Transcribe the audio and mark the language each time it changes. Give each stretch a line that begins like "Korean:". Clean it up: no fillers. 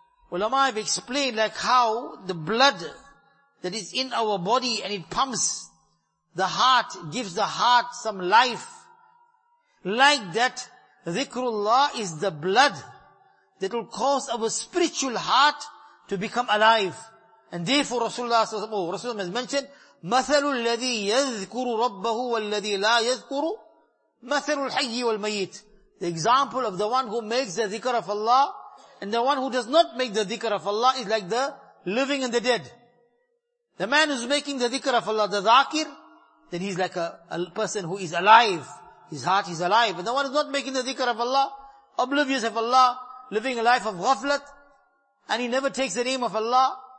English: Ulama have explained like how the blood that is in our body and it pumps the heart, gives the heart some life. Like that, dhikrullah is the blood that will cause our spiritual heart to become alive. And therefore Rasulullah has mentioned,
Arabic: مَثَلُ الَّذِي يَذْكُرُ رَبَّهُ وَالَّذِي لَا يَذْكُرُ مَثَلُ الْحَيِّ وَالْمَيِّتِ.
English: The example of the one who makes the dhikr of Allah and the one who does not make the dhikr of Allah is like the living and the dead. The man who is making the dhikr of Allah, the dhakir, then he's like a person who is alive. His heart is alive. And the one is not making the dhikr of Allah, oblivious of Allah, living a life of ghaflat, and he never takes the name of Allah.